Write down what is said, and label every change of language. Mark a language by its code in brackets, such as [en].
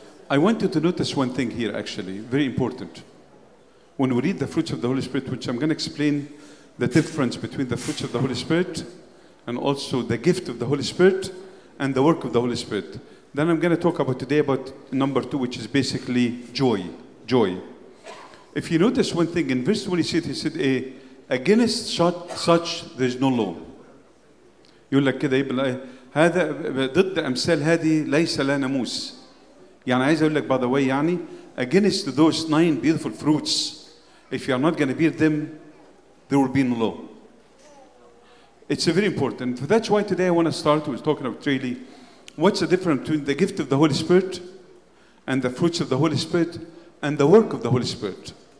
[en] I want you to notice one thing here, actually, very important. When we read the fruits of the Holy Spirit, which I'm going to explain the difference between the fruits of the Holy Spirit and also the gift of the Holy Spirit and the work of the Holy Spirit. Then I'm going to talk about today about number two, which is basically joy. Joy. If you notice one thing, in verse 26, he said, against such there is no law. [ar] يقول لك كده يبقى هذا ضد أمثال هذه ليس لا ناموس. يعني عايز أقول لك, [en] by the way, يعني against those nine beautiful fruits, if you are not going to bear them, there will be no law. It's very important. That's why today I want to start with talking about really what's the difference between the gift of the Holy Spirit and the fruits of the Holy Spirit and the work of the Holy Spirit.